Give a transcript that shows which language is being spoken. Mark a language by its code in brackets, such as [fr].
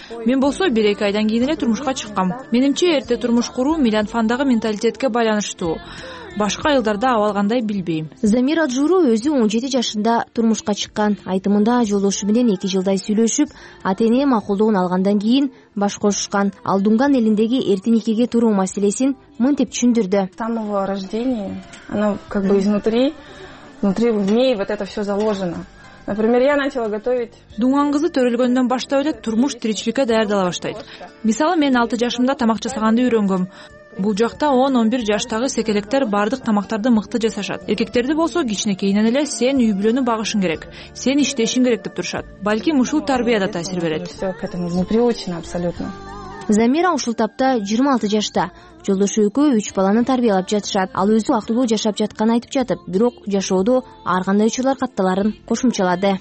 [ky] Мен болсо 1-2 айдан кийин эле турмушка чыккам. Менимче, эрте турмуш куруу Милянфандагы менталитетке байланыштуу. Башка айылдарда абал кандай билбейм. Замир Аджуру өзү 17 жашында турмушка чыккан. Айтымында жолдошу менен 2 жылдай сүйлөшүп, ата эне макулдугун алгандан кийин баш кошушкан. Ал Дунган элиндеги эрте никеге туруу маселесин мынтип түшүндүрдү. [ru] Самого рождения, оно как бы изнутри, внутри в ней вот это всё заложено. Например, я начала готовить. [ky] Дунган кызы төрөлгөндөн баштап эле турмуш тиричиликке даярдала баштайт. Мисалы, мен 6 жашымда тамак жасаганды үйрөнгөм. Бул жакта 10-11 жаштагы секелектер бардык тамактарды мыкты жасашат. Эркектерди болсо кичинекейинен эле сен үй бүлөнү багышың керек, сен иштешиң керек деп турушат. Балким ушул тарбия да таасир берет. [ru] Все к этому не приучено абсолютно. [ky] Замира ушул тапта 26 жашта. Жолдошу экөө 3 баланы тарбиялап жатышат. Ал өзү актылуу жашап жатканын айтып жатып, бирок жашоодо ар кандай учурлар катталарын кошумчалады.